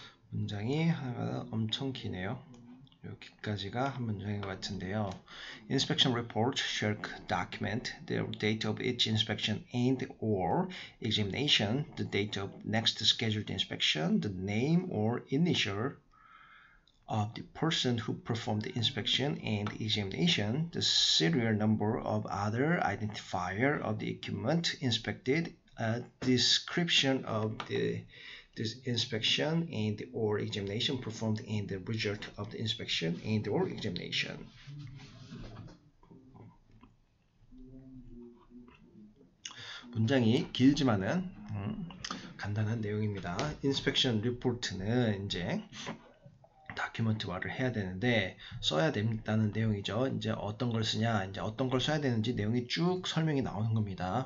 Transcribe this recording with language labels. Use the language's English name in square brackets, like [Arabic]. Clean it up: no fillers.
[Korean] 문장이 하나가 엄청 기네요. 여기까지가 한 문장인 것 같은데요. [English] Inspection report shall document the date of each inspection and or examination, the date of next scheduled inspection, the name or initial of the person who performed the inspection and examination, the serial number of other identifier of the equipment inspected, a description of the This inspection and or examination performed in the result of the inspection and or examination. [Korean] 문장이 길지만은 간단한 내용입니다. Inspection report는 이제 다큐멘트화를 해야 되는데 써야 된다는 내용이죠. 이제 어떤 걸 쓰냐, 이제 어떤 걸 써야 되는지 내용이 쭉 설명이 나오는 겁니다.